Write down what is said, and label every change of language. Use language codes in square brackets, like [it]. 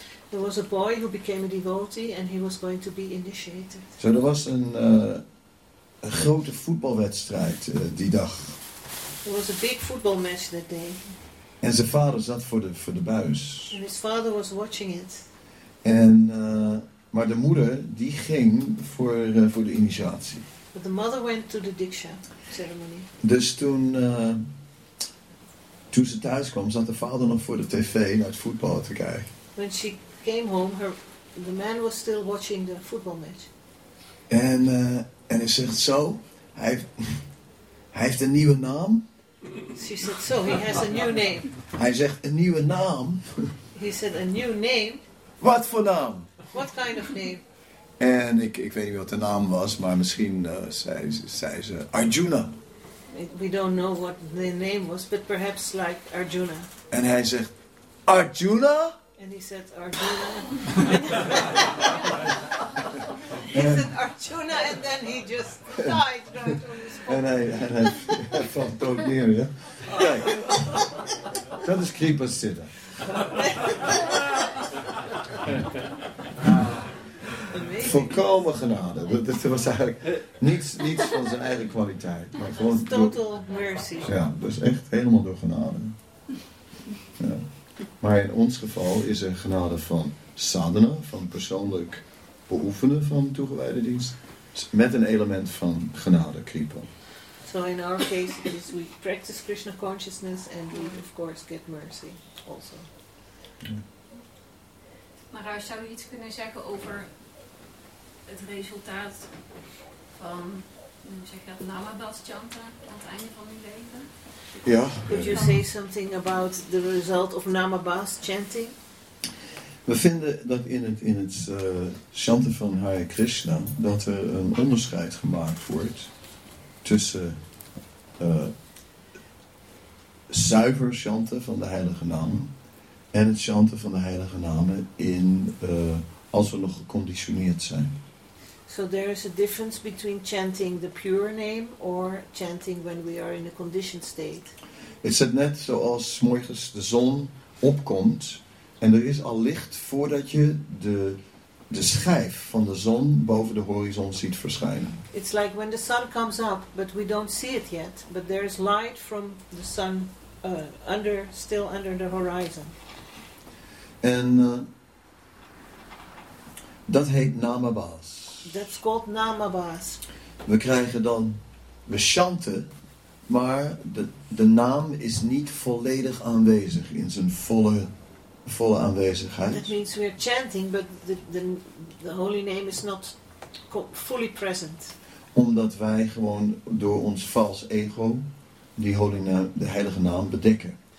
[en] There was a boy who became a devotee and he was going to be initiated. So there was [nl] een grote voetbalwedstrijd die dag. [en] There was a big football match that day. [nl] En zijn vader zat voor de buis. [en] And his father was watching it. [nl] En maar de moeder die ging voor de initiatie. [en] But the mother went to the diksha ceremony. [nl] Dus toen ze thuis kwam, zat de vader nog voor de tv naar het voetbal te kijken. [en] When she came home, the man was still watching the football match. [nl] En hij zegt zo, hij heeft een nieuwe naam. [en] She said, so he has a new name. [nl] Hij zegt een nieuwe naam. [en] He said a new name. [nl] Wat voor naam? [en] What kind of name? [nl] En ik weet niet wat de naam was, maar misschien zei ze Arjuna. [en] We don't know what the name was, but perhaps like Arjuna. [nl] En hij zegt Arjuna? [en] And he said, Arjuna. He said, Arjuna, and then he just died right on the spot. And I thought, don't near you. [nl] Kijk, dat is kripasiddha. Volkomen genade. Dat was eigenlijk niets van zijn eigen kwaliteit. Maar gewoon [en] total mercy. [nl] Ja, dus echt helemaal door genade. Ja. Maar in ons geval is er genade van sadhana, van persoonlijk beoefenen van toegewijde dienst, met een element van genade, kripa. [en] So in our case it is we practice Krishna consciousness and we of course get mercy also. [nl] Maar zou je iets kunnen zeggen over het resultaat van, hoe zeg je dat, namabas chanta aan het einde van je leven? Ja. [en] Could you say something about the result of namabas chanting? [nl] We vinden dat in het chanten van Hare Krishna dat er een onderscheid gemaakt wordt tussen zuiver chanten van de heilige namen en het chanten van de heilige namen in als we nog geconditioneerd zijn. [en] So there is a difference between chanting the pure name or chanting when we are in a conditioned state. [nl] Is het net zoals 's morgens de zon opkomt en er is al licht voordat je de schijf van de zon boven de horizon ziet verschijnen. [en] It's like when the sun comes up, but we don't see it yet, but there is light from the sun still under the horizon. [nl] En dat heet namabas. [en] That's called namabas. [nl] We krijgen dan, we chanten Maar de naam is niet volledig aanwezig in zijn volle aanwezigheid. [en] That means we are chanting, but the holy name is not fully present. [nl] Omdat wij gewoon door ons vals ego die holy naam, de heilige naam bedekken.